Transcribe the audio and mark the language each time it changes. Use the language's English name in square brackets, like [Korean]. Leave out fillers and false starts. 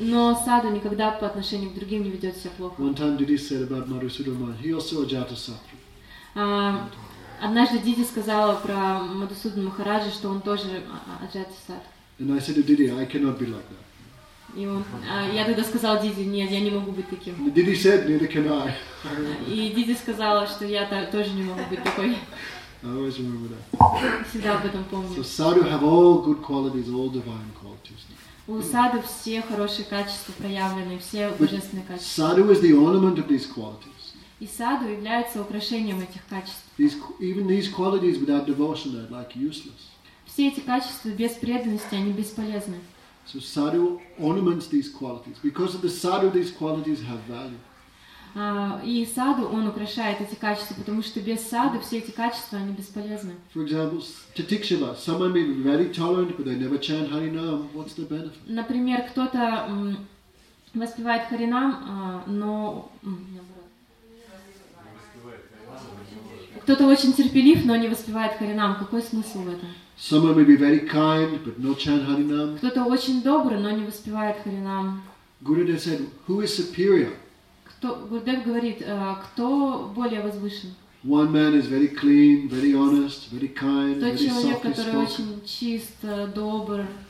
[Russian] Но Sadhu никогда по отношению к другим не ведет себя плохо. [English] One time Didi said about Madhusudan Maharaj, he also Ajatasatru. [Russian] Однажды Диди сказала про Мадхусудана Махараджа, что он тоже Ajatasatru. [English] And I said to Didi, I cannot be like that. [Russian] Я тогда сказала Диди, нет, я не могу быть таким. [English] Didi said, neither can I. [Russian] И Диди сказала, что я тоже не могу быть такой. [English] I always remember that. [Russian] Всегда об этом помню. [English] So sadhu have all good qualities, all divine qualities. [Russian] У саду все хорошие качества проявлены, все божественные качества. [English] Sadhu is the ornament of these qualities. [Russian] И саду является украшением этих качеств. [English] Even these qualities without devotion are like useless. [Russian] Все эти качества без преданности, они бесполезны. [English] So sadhu ornaments these qualities. Because of the sadhu, these qualities have value. [Russian] И саду он украшает эти качества, потому что без сады все эти качества они бесполезны. [English] For example, Tatikshila. Someone may be very tolerant, but they never chant Harinam. What's the benefit? [Russian] Например, кто-то воспевает Харинам, но кто-то очень терпелив, но не воспевает Харинам. Какой смысл в этом? [English] Someone may be very kind, but not chant Harinam. [Russian] Кто-то очень добрый, но не воспевает Харинам. [English] Gurudev said, "Who is superior?" [Russian] Гурдев говорит, кто более возвышен? [English] One man is very clean, very honest, very kind, very soft-spoken. [Russian] Тот человек, который очень чист, добр.